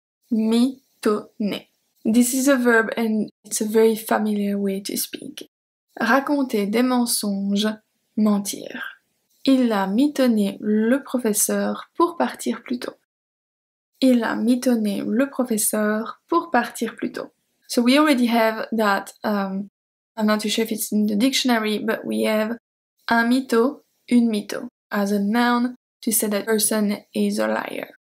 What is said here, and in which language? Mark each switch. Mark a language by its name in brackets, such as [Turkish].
[French] Mitonner. [English] This is a verb and it's a very familiar way to speak. [French] Raconter des mensonges, mentir. Il a mitonné le professeur pour partir plus tôt. Il a mitonné le professeur pour partir plus tôt. [English] So we already have that, I'm not too sure if it's in the dictionary, but we have [French] un mytho, une mytho. [English] As a noun, to say that person is a liar.